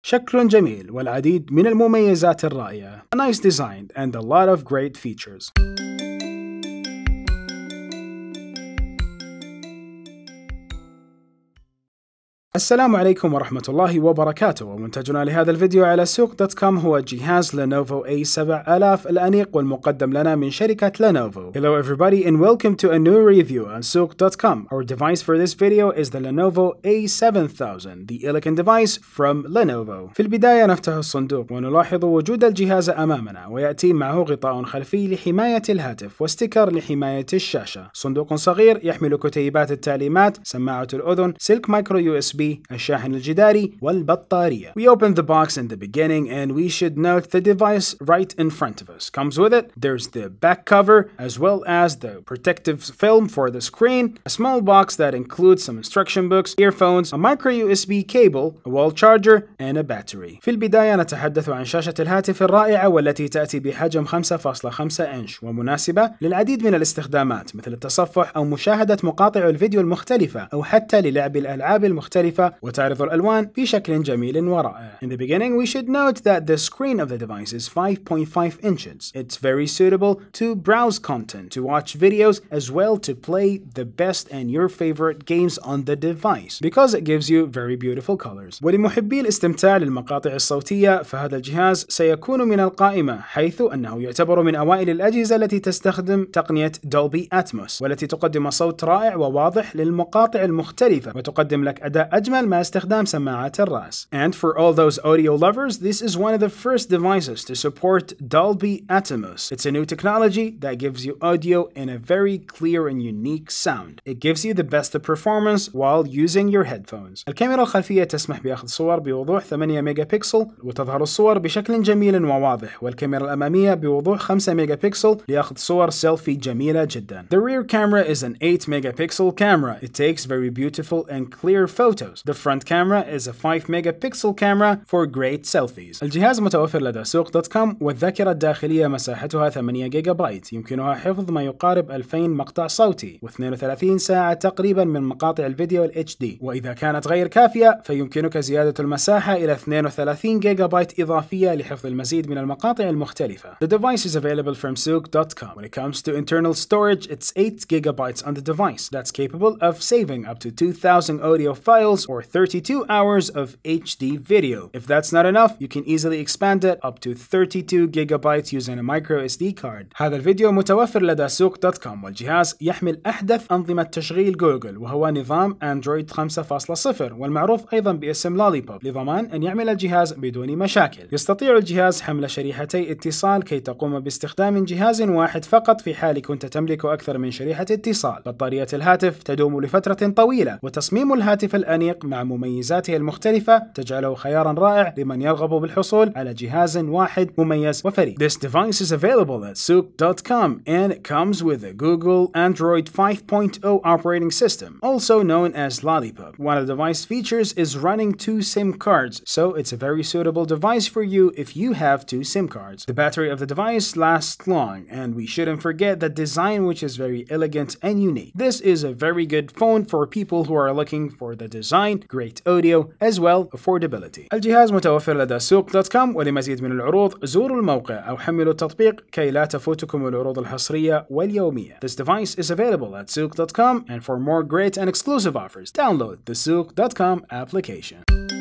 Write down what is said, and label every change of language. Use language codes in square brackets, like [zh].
[ar] شكل جميل والعديد من المميزات الرائعة. [en] A nice design and a lot of great features. [ar] السلام عليكم ورحمة الله وبركاته. ومنتجنا لهذا الفيديو على سوق.كوم هو جهاز لينوفو A7000 الأنيق والمقدم لنا من شركة لينوفو. [en] Hello everybody and welcome to a new review on سوق.كوم. Our device for this video is the Lenovo A7000, the elegant device from Lenovo. [ar] في البداية نفتح الصندوق ونلاحظ وجود الجهاز أمامنا، ويأتي معه غطاء خلفي لحماية الهاتف واستيكر لحماية الشاشة. صندوق صغير يحمل كتيبات التعليمات، سماعة الأذن، سلك مايكرو يو اس USB, الشاحن الجداري والبطارية. [en] We open the box in the beginning and we should note the device right in front of us. Comes with it, there's the back cover as well as the protective film for the screen, a small box that includes some instruction books, earphones, a micro USB cable, a wall charger and a battery. [ar] في البداية نتحدث عن شاشة الهاتف الرائعة والتي تأتي بحجم 5.5 انش ومناسبة للعديد من الاستخدامات مثل التصفح أو مشاهدة مقاطع الفيديو المختلفة أو حتى للعب الألعاب المختلفة. وتعرض الألوان بشكل جميل ورائع. [en] In the beginning, we should note that the screen of the device is 5.5 inches. It's very suitable to browse content, to watch videos, as well to play the best and your favorite games on the device, because it gives you very beautiful colors. [ar] ولمحبي الاستمتاع للمقاطع الصوتية، فهذا الجهاز سيكون من القائمة، حيث أنه يعتبر من أوائل الأجهزة التي تستخدم تقنية Dolby Atmos، والتي تقدم صوت رائع وواضح للمقاطع المختلفة، وتقدم لك أداء أجمل مع استخدام سماعات الرأس. [en] And for all those audio lovers, this is one of the first devices to support Dolby Atmos. It's a new technology that gives you audio in a very clear and unique sound. It gives you the best of performance while using your headphones. [ar] الكاميرا الخلفية تسمح بأخذ صور بوضوح 8 ميجا بكسل وتظهر الصور بشكل جميل وواضح، والكاميرا الأمامية بوضوح 5 ميجا بكسل لأخذ صور سيلفي جميلة جدا. [en] The rear camera is an 8 megapixel camera. It takes very beautiful and clear photos. The front camera is a 5 megapixel camera for great selfies. [ar] الجهاز متوفر لدى سوق.كوم والذاكرة الداخلية مساحتها 8 جيجا بايت، يمكنها حفظ ما يقارب 2000 مقطع صوتي و32 ساعة تقريبا من مقاطع الفيديو الـ HD. وإذا كانت غير كافية فيمكنك زيادة المساحة إلى 32 جيجا بايت إضافية لحفظ المزيد من المقاطع المختلفة. [en] The device is available from سوق.كوم. When it comes to internal storage, it's 8 gigabytes on the device. That's capable of saving up to 2000 audio files or 32 hours of HD video. If that's not enough, you can easily expand it up to 32 gigabytes using a micro SD card. [ar] هذا الفيديو متوفر لدى سوق.كوم والجهاز يحمل أحدث أنظمة تشغيل جوجل وهو نظام أندرويد 5.0 والمعروف أيضا باسم لوليبوب لضمان أن يعمل الجهاز بدون مشاكل. يستطيع الجهاز حمل شريحتي اتصال كي تقوم باستخدام جهاز واحد فقط في حال كنت تملك أكثر من شريحة اتصال. بطارية الهاتف تدوم لفترة طويلة وتصميم الهاتف الأنيق مع مميزاته المختلفة تجعله خيارا رائع لمن يرغب بالحصول على جهاز واحد مميز وفريد. [en] This device is available at souq.com and it comes with a Google Android 5.0 operating system, also known as Lollipop. One of the device features is running two SIM cards, so it's a very suitable device for you if you have two SIM cards. The battery of the device lasts long and we shouldn't forget the design, which is very elegant and unique. This is a very good phone for people who are looking for the design, great audio, as well affordability. [ar] الجهاز متوفر لدى سوق.كوم ولمزيد من العروض زوروا الموقع أو حملوا التطبيق كي لا تفوتكم العروض الحصرية واليومية. [en] This device is available at سوق.كوم and for more great and exclusive offers, download the سوق.كوم application.